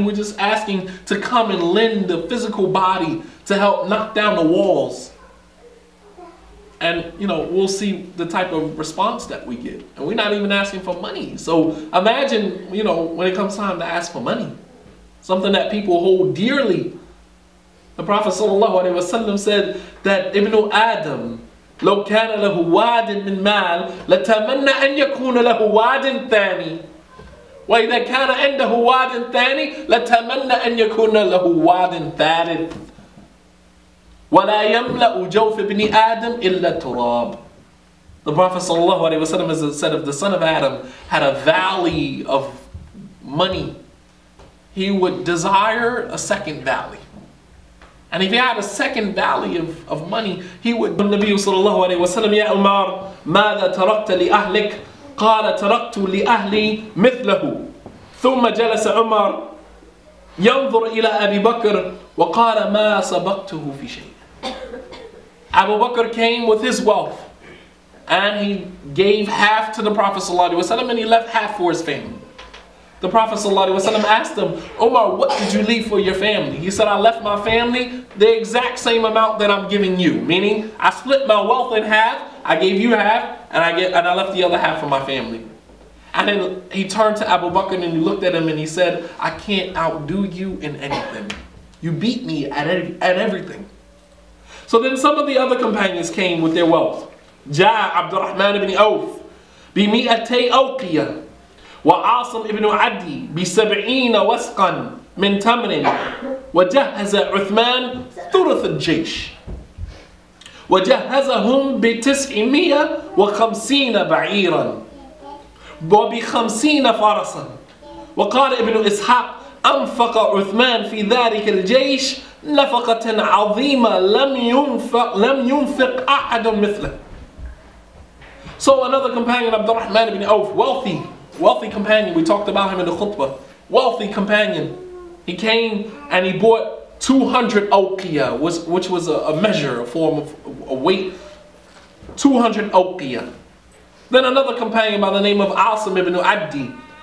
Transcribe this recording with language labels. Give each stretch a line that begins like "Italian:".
English: We're just asking to come and lend the physical body to help knock down the walls. And, you know, we'll see the type of response that we get. And we're not even asking for money. So imagine, you know, when it comes time to ask for money, something that people hold dearly. The Prophet sallallahu alaihi wasallam said that Ibn Adam,
Arabic: لو كان له واد من مال لتمنى أن يكون له واد ثاني وإذا كان عنده واد ثاني لتمنى أن يكون له واد ثالث ولا يملأ جوف ابن آدم إلا تراب.
English: The Prophet sallallahu alaihi wasallam said if the son of Adam had a valley of money, he would desire a second valley. And if he had a second valley of money, he would. The Nabi sallallahu alayhi wa sallam, Ya Umar,
Arabic: ماذا تركت لأهلك؟ قال تركت لأهلي مثله. ثم جلس عمر ينظر إلى أبي بكر وقال ما سبقته في شيء.
English: Abu Bakr came with his wealth and he gave half to the Prophet sallallahu alayhi wa sallam and he left half for his family. The Prophet sallallahu alaihi wasallam asked him, Omar, what did you leave for your family? He said, I left my family the exact same amount that I'm giving you. Meaning, I split my wealth in half, I gave you half, and I left the other half for my family. And then he turned to Abu Bakr and he looked at him and he said, I can't outdo you in anything. You beat me at everything. So then some of the other companions came with their wealth.
Arabic: Ja' Abdurrahman ibn Auf, bi mi'atay awqiyah. وعاصم ابن عدي بسبعين وسقا من تمر وجهز عثمان ثلث الجيش وجهزهم بتسعمية وخمسين بعيرا وبخمسين فرسا وقال ابن إسحاق أنفق عثمان في ذلك الجيش نفقة عظيمة لم ينفق أحد مثله.
English: So another companion, Abdurrahman ibn Auf, wealthy companion, we talked about him in the khutbah. Wealthy companion. He came and he bought 200 awqiyah, which was a measure, a form of a weight. 200 awqiyah. Then another companion by the name of Asim ibn Abdi.